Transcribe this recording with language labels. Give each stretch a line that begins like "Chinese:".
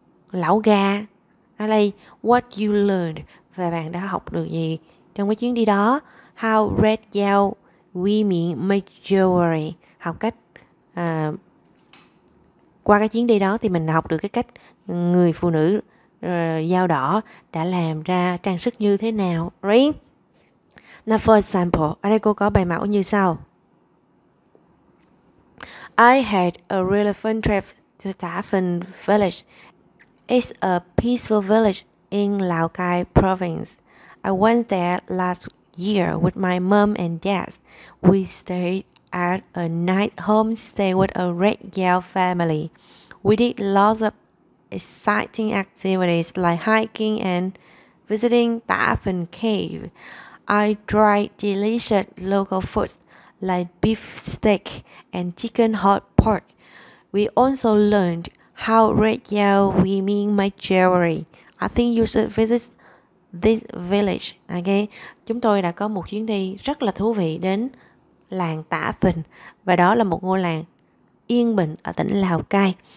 Vietnamese: lẩu gà, hay là
English: what you learned,
Vietnamese: và bạn đã học được gì trong cái chuyến đi đó,
English: how red yao women make jewelry,
Vietnamese: học cách qua cái chuyến đi đó thì mình học được cái cách người phụ nữ dao đỏ đã làm ra trang sức như thế nào, right?
English: Now for example,
Vietnamese: ở đây cô có bài mẫu như sau.
English: I had a really fun trip to Tha Phinh Village. It's a peaceful village in Lao Cai Province. I went there last year with my mom and dad. We stayed at a night homestay with a red yao family. We did lots of exciting activities like hiking and visiting Tha Phinh Cave. I tried delicious local foods like beef steak and chicken hot pork. We also learned how red yao women make jewelry. I think you should visit this village. Okay.
Vietnamese: Chúng tôi đã có một chuyến đi rất là thú vị đến làng Tha Phinh, và đó là một ngôi làng yên bình ở tỉnh Lào Cai.